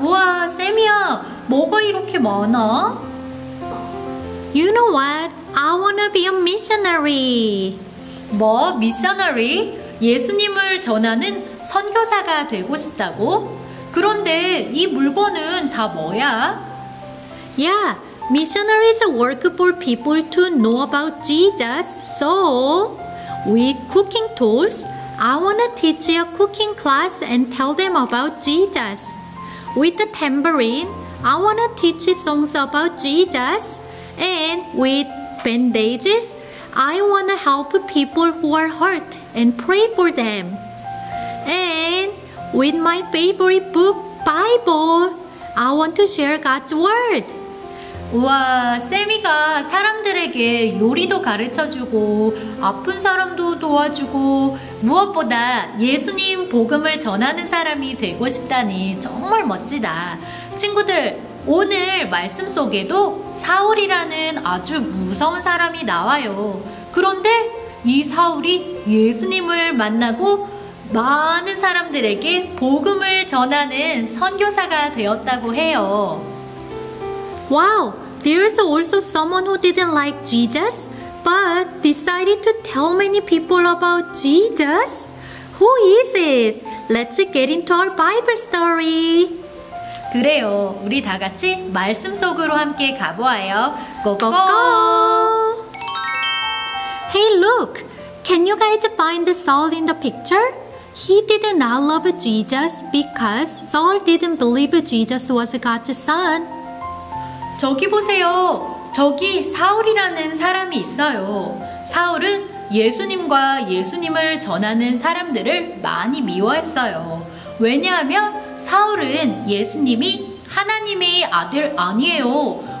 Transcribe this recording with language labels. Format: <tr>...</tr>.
<ko>우와 쌤이야, 뭐가 이렇게 많아?</ko> <en>You know what? I wanna be a missionary.</en> <ko>뭐? Missionary? 예수님을 전하는 선교사가 되고 싶다고? 그런데 이 물건은 다 뭐야?</ko> <en>Yeah, missionaries work for people to know about Jesus. So, with cooking tools, I wanna teach a cooking class and tell them about Jesus. With the tambourine, I wanna teach songs about Jesus. And with bandages, I want to help people who are hurt and pray for them. And with my favorite book, Bible, I want to share God's word.</en> <ko>우와, 세미가 사람들에게 요리도 가르쳐주고 아픈 사람도 도와주고 무엇보다 예수님 복음을 전하는 사람이 되고 싶다니 정말 멋지다. 친구들, 오늘 말씀 속에도 사울이라는 아주 무서운 사람이 나와요. 그런데 이 사울이 예수님을 만나고 많은 사람들에게 복음을 전하는 선교사가 되었다고 해요.</ko> <en>Wow, there's also someone who didn't like Jesus, but decided to tell many people about Jesus. Who is it? Let's get into our Bible story.</en> <ko>그래요, 우리 다 같이 말씀 속으로 함께 가보아요.</ko> <en>Go, go, go! Hey, look! Can you guys find Saul in the picture? He did not love Jesus because Saul didn't believe Jesus was God's son.</en> <ko>저기 보세요. 저기 사울이라는 사람이 있어요. 사울은 예수님과 예수님을 전하는 사람들을 많이 미워했어요. 왜냐하면 사울은 예수님이 하나님의 아들 아니에요.</ko>